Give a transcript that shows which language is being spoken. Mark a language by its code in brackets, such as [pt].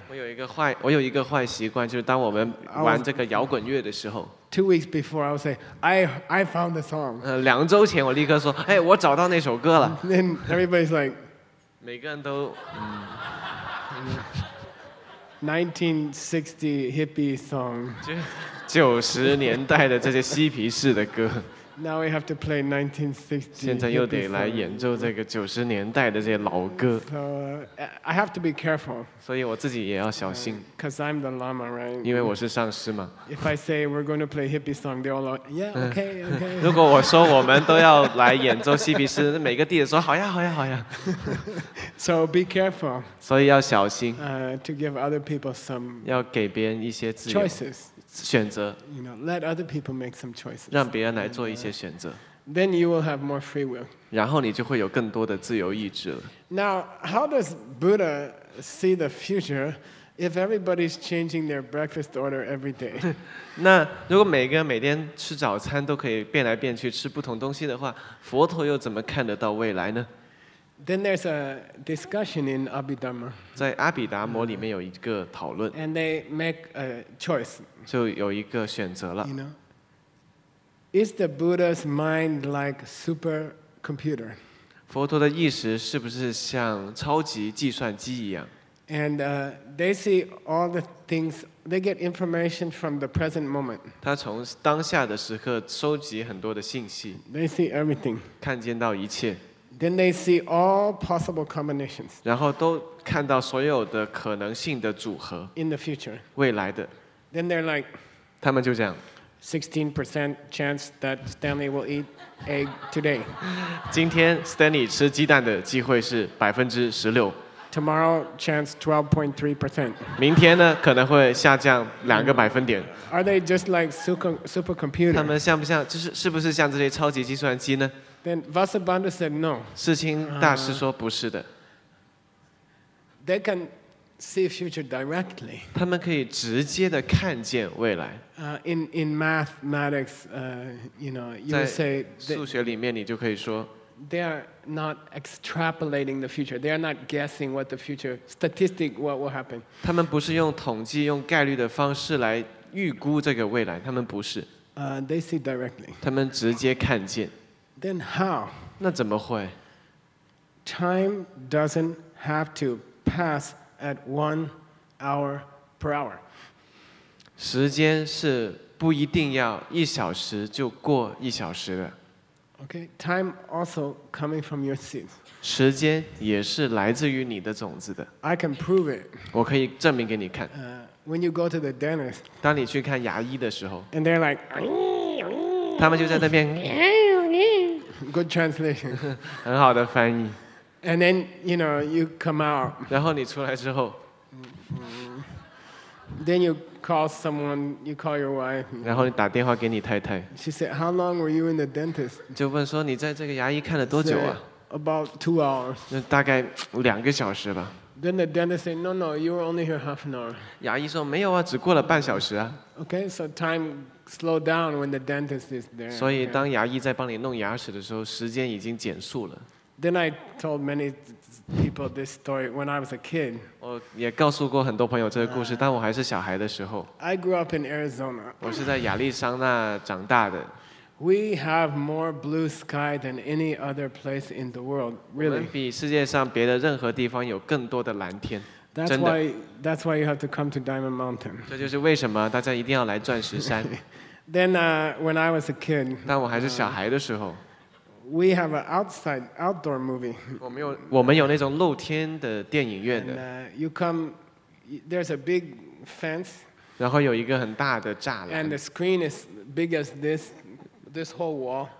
[zh] 我有一个坏习惯，就是当我们玩这个摇滚乐的时候。 [en] 2 weeks before, I would say, I found the song. [zh] 两周前我立刻说，哎，我找到那首歌了。 [en] Then everybody's like, [zh] 每个人都 [en] 1960 hippie song. [zh] 90年代的这些嬉皮士的歌。 [en] Now we have to play 1960. [zh] 现在又得来演奏这个九十年代的这些老歌。 [en] So I have to be careful. [zh] 所以我自己也要小心。 [en] Because I'm the Lama, right? [zh] 因为我是上师嘛。 [en] If I say we're going to play hippie song, they all like, yeah, okay, okay. [zh] 如果我说我们都要来演奏嬉皮士，每个弟子说好呀，好呀，好呀。 [en] So be careful. [zh] 所以要小心。 [en] To give other people some [zh] 要给别人一些自由 [en] choices. [zh] 选择， [en] you know, let other people make some choices, [zh] 让别人来做一些选择。 [en] Then you will have more free will. [zh] 然后你就会有更多的自由意志了。 [en] Now, how does Buddha see the future if everybody's changing their breakfast order every day? [zh] 那如果每个人每天吃早餐都可以变来变去吃不同东西的话，佛陀又怎么看得到未来呢？ [en] Then there's a discussion in Abhidharma. [zh] 在阿毗达摩里面有一个讨论。 [en] And they make a choice. [zh] 就有一个选择了。 [en] You know, is the Buddha's mind like supercomputer? [zh] 佛陀的意识是不是像超级计算机一样？ [en] And they see all the things, they get information from the present moment. [zh] 他从当下的时刻收集很多的信息。 [en] They see everything. [zh] 看见到一切。 [en] Then they see all possible combinations. [zh] 然后都看到所有的可能性的组合。 [en] In the future. [zh] 未来的。 [en] Then they're like, [zh] 他们就这样 [en] 16% chance that Stanley will eat egg today. [zh] 今天 Stanley 吃鸡蛋的机会是 16%. [en] Tomorrow chance 12.3%. [zh] 明天呢可能会下降2%。 [en] Are they just like super computer? [zh] 他们像不像就是是不是像这些超级计算机呢？ [en] Then Vasubandhu said no. [zh] 世亲大师说不是的。 [en] They can see future directly. [zh] 他们可以直接的看见未来。 [en] In mathematics, you know, you say that, [zh] 在数学里面你就可以说。 [en] They are not extrapolating the future. They are not guessing what the future statistic what will happen. [zh] 他们不是用统计用概率的方式来预估这个未来，他们不是。 [en] They see directly. [zh] 他们直接看见。 [en] Then how? [zh] 那怎么会？ [en] Time doesn't have to pass at 1 hour per hour. [zh] 时间是不一定要一小时就过一小时的。 [en] Okay, time also coming from your seed. [zh] 时间也是来自于你的种子的。 [en] I can prove it. [zh] 我可以证明给你看。 [en] When you go to the dentist. [zh] 当你去看牙医的时候。 [en] And they're like. [zh] 他们就在那边。 [en] Good translation. [zh] 很好的翻译。 [en] And then you know you come out. [zh] 然后你出来之后。 [en] Then you call someone, you call your wife. [zh] 然后你打电话给你太太。 [en] She said, "How long were you in the dentist?" [zh] 就问说你在这个牙医看了多久啊 [en] ？About 2 hours. [zh] 那大概2个小时吧。 [en] Then the dentist said, "No, no, you were only here half an hour." [zh] 牙医说没有啊，只过了半小时啊。 [en] Okay, so time slowed down when the dentist is there. [zh] 所以当牙医在帮你弄牙齿的时候，时间已经减速了。 [en] Then I told many people this story when I was a kid. [zh] 我也告诉过很多朋友这个故事，当我还是小孩的时候。 [en] I grew up in Arizona. [zh] 我是在亚利桑那长大的。 [en] We have more blue sky than any other place in the world, really. [zh] 我们比世界上别的任何地方有更多的蓝天。 [en] That's why you have to come to Diamond Mountain. [zh] 这就是为什么大家一定要来钻石山。 [en] Then, when I was a kid. [zh] 当我还是小孩的时候。 [en] We have an outdoor movie. [zh] 我们有那种露天的电影院的。 [en] And, you come, there's a big fence. [zh] 然后有一个很大的栅栏。 [en] And the screen is big as this whole wall.